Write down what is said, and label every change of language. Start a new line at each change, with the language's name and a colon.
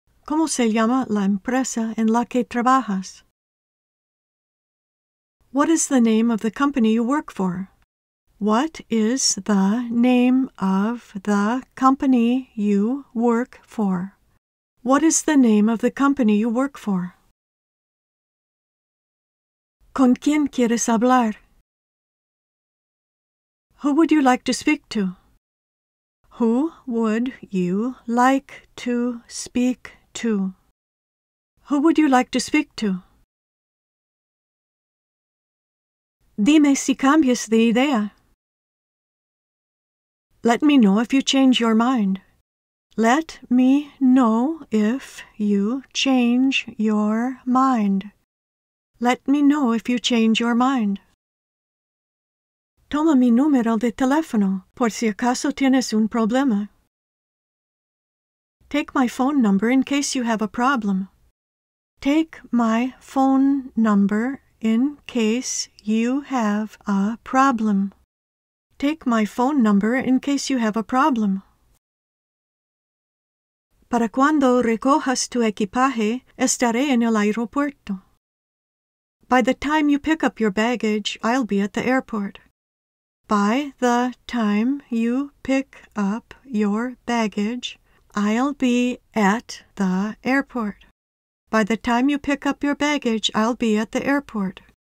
Spanish: ¿Cómo se llama la empresa en la que trabajas?
English: What is the name of the company you work for? What is the name of the company you work for? What is the name of the company you work for?
Spanish: ¿Con quién quieres hablar?
English: Who would you like to speak to? Who would you like to speak to? Who would you like to speak to?
Spanish: Dime si cambias de idea.
English: Let me know if you change your mind. Let me know if you change your mind. Let me know if you change your mind.
Spanish: Toma mi número de teléfono, por si acaso tienes un problema.
English: Take my phone number in case you have a problem. Take my phone number in case you have a problem. Take my phone number in case you have a problem.
Spanish: Para cuando recojas tu equipaje, estaré en el aeropuerto.
English: By the time you pick up your baggage, I'll be at the airport. By the time you pick up your baggage, I'll be at the airport. By the time you pick up your baggage, I'll be at the airport.